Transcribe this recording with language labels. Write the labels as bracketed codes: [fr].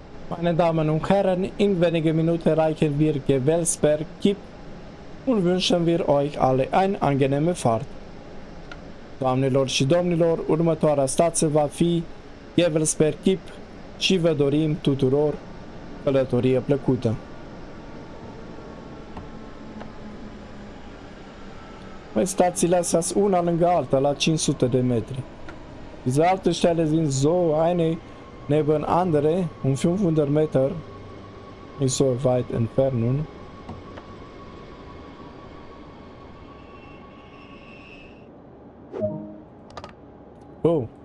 [de] Meine Damen und Herren, in wenigen Minuten erreichen wir Gevelsberg Kip und wünschen wir euch alle eine angenehme Fahrt. [ro] Doamnelor și domnilor, următoarea stație va fi Gevelsberg Kip și vă dorim tuturor călătorie plăcută. Păi stațiile astea sunt una lângă alta, la 500 de metri. [de] Diese alte Stelle sind so eine neben andere, 500 Meter, nicht so weit entfernt nun. Oh.